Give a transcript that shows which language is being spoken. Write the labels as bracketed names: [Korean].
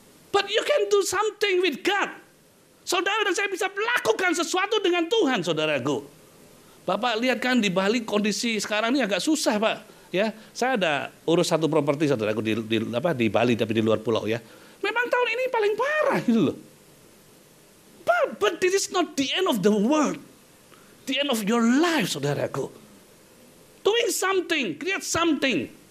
[English] But you can do something with God. [Indonesian] Saudara dan saya bisa melakukan sesuatu dengan Tuhan, saudaraku. Bapak lihat kan di balik kondisi sekarang ini agak susah, Pak. Ya, saya ada urus satu properti, saudaraku, di Bali tapi di luar pulau, ya. Memang tahun ini paling parah gitu loh. [English] But this is not the end of the world. The end of your life, [Indonesian] saudaraku. [English] Doing something, create something.